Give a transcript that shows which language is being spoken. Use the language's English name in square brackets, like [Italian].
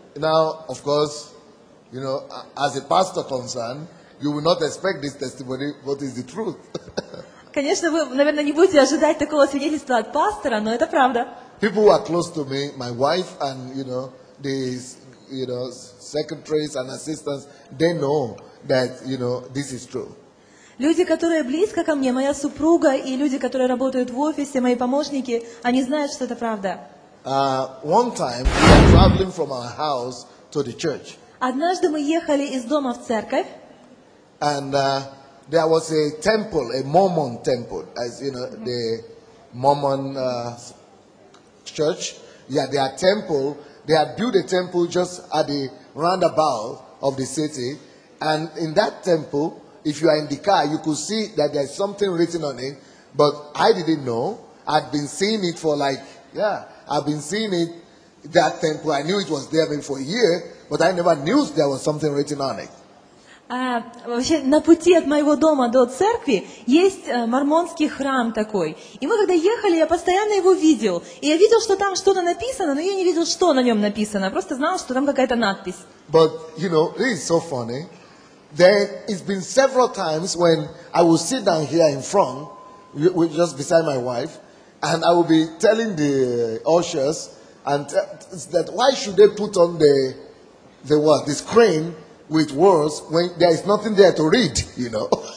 [English] Now, of course, you know, as a pastor concerned, you will not expect this testimony, but it's the truth. [Russian] Конечно, вы, наверное, не будете ожидать такого свидетельства от пастора, но это правда. [English] People who are close to me, my wife and, you know, these, you know, secretaries and assistants, they know that, you know, this is true. [Russian] Люди, которые близко ко мне, моя супруга и люди, которые работают в офисе, мои помощники, они знают, что это правда. [English] One time, we were traveling from our house to the church. [Russian] Однажды мы ехали из дома в церковь. [English] And there was a temple, a Mormon temple, as you know, the Mormon church. Yeah, their temple, they had built a temple just at the roundabout of the city. And in that temple, if you are in the car, you could see that there's something written on it. But I didn't know. I'd been seeing it for like, that temple. I knew it was there maybe for a year, but I never knew there was something written on it. [Russian] Вообще, на пути от моего дома до церкви есть мормонский храм такой. И мы когда ехали, я постоянно его видел. И я видел, что там что-то написано, но я не видел, что на нем написано. Просто знал, что там какая-то надпись. [English] But, you know, it is so funny. There has been several times when I will sit down here in front, just beside my wife, and I will be telling the ushers and that why should they put on the screen with words when there is nothing there to read, you know.